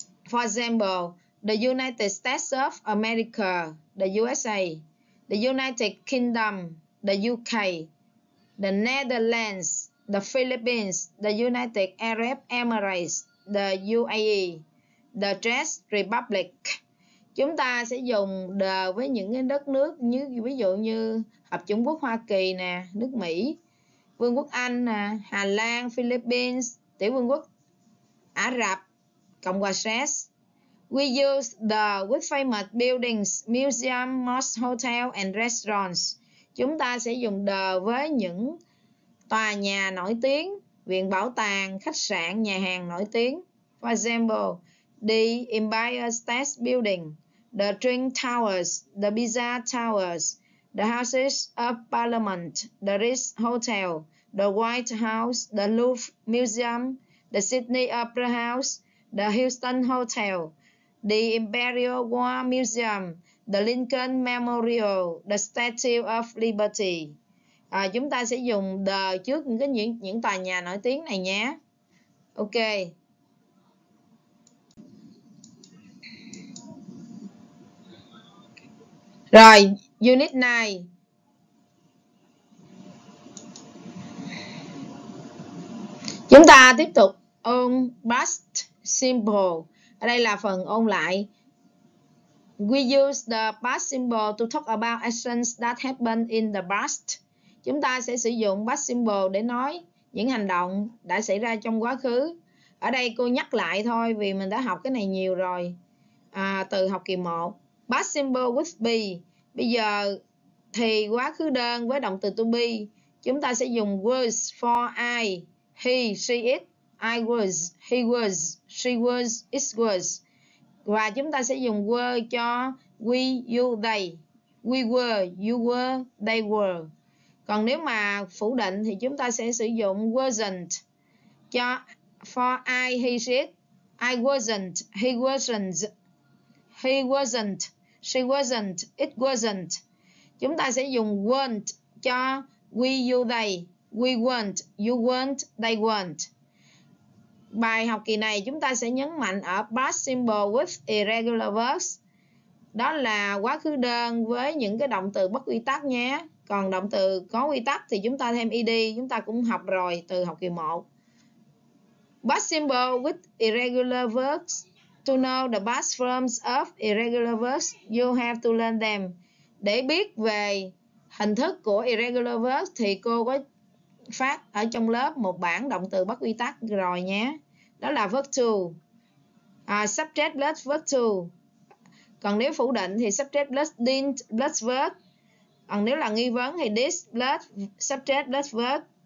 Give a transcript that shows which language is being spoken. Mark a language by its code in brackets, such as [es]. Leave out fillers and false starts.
[en] For example, the United States of America, the USA, the United Kingdom, the UK, the Netherlands, the Philippines, the United Arab Emirates, the UAE, the Czech Republic. [vi] Chúng ta sẽ dùng the với những cái đất nước như ví dụ như Hợp Chủng Quốc Hoa Kỳ nè, nước Mỹ, Vương quốc Anh nè, Hà Lan, Philippines, Tiểu Vương quốc Ả Rập, Cộng hòa Séc. [en] We use the with famous buildings, museum, mosque, hotel and restaurants. [vi] Chúng ta sẽ dùng the với những tòa nhà nổi tiếng, viện bảo tàng, khách sạn, nhà hàng nổi tiếng. [en] For example, the Empire State Building, the Twin Towers, the Pisa Towers, the Houses of Parliament, the Ritz Hotel, the White House, the Louvre Museum, the Sydney Opera House, the Houston Hotel, the Imperial War Museum, the Lincoln Memorial, the Statue of Liberty. [vi] À, chúng ta sẽ dùng the trước những tòa nhà nổi tiếng này nhé. Ok. Rồi, unit 9. Chúng ta tiếp tục ôn past simple. Ở đây là phần ôn lại. [en] We use the past simple to talk about actions that happened in the past. [vi] Chúng ta sẽ sử dụng past simple để nói những hành động đã xảy ra trong quá khứ. Ở đây cô nhắc lại thôi vì mình đã học cái này nhiều rồi. À, từ học kỳ 1. [en] Past simple with be. [vi] Bây giờ thì quá khứ đơn với động từ to be. Chúng ta sẽ dùng [en] was for I, he, she, it, I was, he was, she was, it was. [vi] Và chúng ta sẽ dùng were cho we, you, they. [en] We were, you were, they were. [vi] Còn nếu mà phủ định thì chúng ta sẽ sử dụng [en] wasn't cho for I, he, she, it. I wasn't, he wasn't, he wasn't. She wasn't, it wasn't. [vi] Chúng ta sẽ dùng weren't cho we, you, they. [en] We weren't, you weren't, they weren't. [vi] Bài học kỳ này chúng ta sẽ nhấn mạnh ở past simple with irregular verbs. Đó là quá khứ đơn với những cái động từ bất quy tắc nhé. Còn động từ có quy tắc thì chúng ta thêm ed, chúng ta cũng học rồi từ học kỳ 1. [en] Past simple with irregular verbs. To know the past forms of irregular verbs, you have to learn them. [vi] Để biết về hình thức của irregular verbs thì cô có phát ở trong lớp một bảng động từ bất quy tắc rồi nhé. Đó là [en] verb 2. Subject plus verb 2. [vi] Còn nếu phủ định thì [en] subject plus didn't plus verb. [vi] Còn nếu là nghi vấn thì [en] this plus subject plus verb.